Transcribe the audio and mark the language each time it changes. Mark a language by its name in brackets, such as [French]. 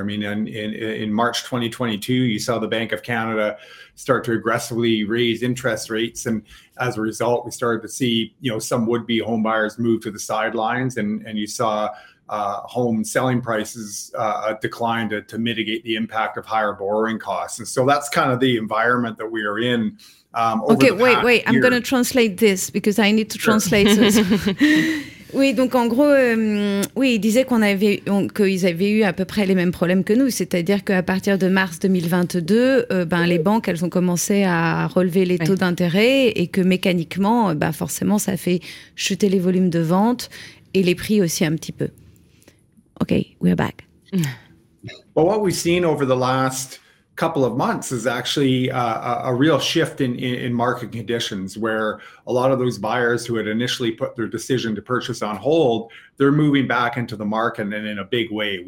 [English] I mean, in March 2022, you saw the Bank of Canada start to aggressively raise interest rates, and as a result, we started to see, you know, some would-be home buyers move to the sidelines, and you saw home selling prices decline to mitigate the impact of higher borrowing costs. And so that's kind of the environment that we are in. Wait. I'm going to translate this because I need to translate this. [French] Oui, donc en gros, oui, ils disaient qu'ils avaient eu à peu près les mêmes problèmes que nous, c'est-à-dire qu'à partir de mars 2022, les banques, elles ont commencé à relever les taux d'intérêt et que mécaniquement, forcément, ça fait chuter les volumes de vente et les prix aussi un petit peu. [English] OK, we're back. Well, what we've seen over the last couple of months is actually a real shift in market conditions, where a lot of those buyers who had initially put their decision to purchase on hold, they're moving back into the market, and in a big way.